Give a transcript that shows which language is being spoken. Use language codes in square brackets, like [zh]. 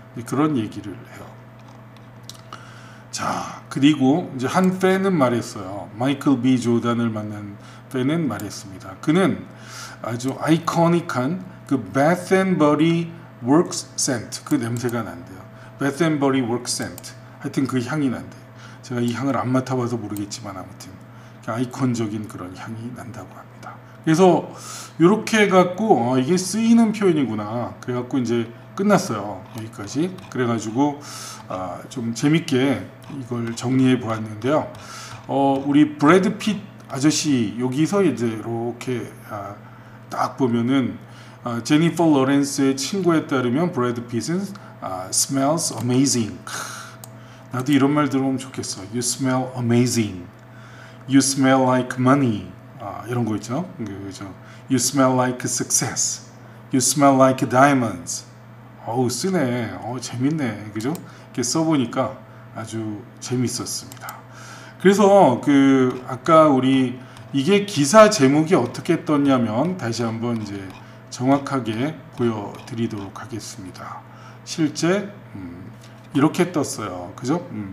[ko] 그런 얘기를 해요. 자, 그리고 이제 한 팬은 말했어요. 마이클 B. 조던을 만난 팬은 말했습니다. 그는 아주 아이코닉한 그 Bath and Body Works Scent 그 냄새가 난대요. Bath and Body Works Scent 하여튼 그 향이 난대. 제가 이 향을 안 맡아봐서 모르겠지만 아무튼 아이콘적인 그런 향이 난다고 합니다. 그래서 이렇게 해갖고 이게 쓰이는 표현이구나. 그래갖고 이제 끝났어요. 여기까지. 그래가지고 좀 재밌게 이걸 정리해보았는데요. 우리 브래드 핏 아저씨 여기서 이제 이렇게 딱 보면은 제니퍼 로렌스의 친구에 따르면 브래드 핏은 [en] smells amazing. [ko] 나도 이런 말 들어보면 좋겠어. [en] You smell amazing. You smell like money. [ko] 이런 거 있죠. 그죠. [en] You smell like success. You smell like diamonds. [ko] 쓰네. 재밌네. 그죠? 이렇게 써보니까 아주 재밌었습니다. 그래서 그 아까 우리 이게 기사 제목이 어떻게 떴냐면 다시 한번 이제 정확하게 보여드리도록 하겠습니다. 실제 이렇게 떴어요. 그죠?